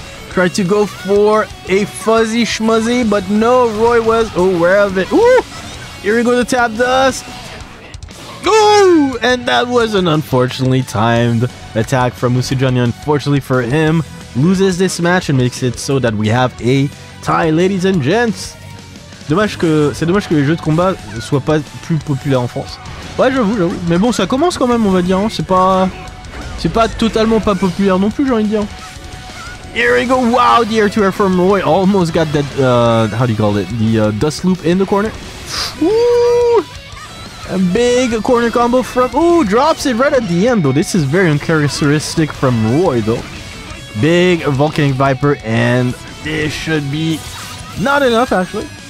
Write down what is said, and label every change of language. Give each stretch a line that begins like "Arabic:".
English: Try to go for a fuzzy schmuzzy, but no, Roy was aware of it. Ooh, here we go, the tap dust. Ooh, and that was an unfortunately timed attack from UsuiJohnny. Unfortunately for him, loses this match and makes it so that we have a tie, ladies and gents.
French: C'est dommage que les jeux de combat soient pas plus populaires en France. Ouais, j'avoue. Mais bon, ça commence quand même, on va dire. Hein. C'est pas totalement pas populaire non plus, j'ai envie de dire.
English: Here we go. Wow, the air to air from Roy. Almost got that, how do you call it? The dust loop in the corner. Ooh! A big corner combo from... Ooh, drops it right at the end, though. This is very uncharacteristic from Roy, though. Big Volcanic Viper, and this should be not enough, actually.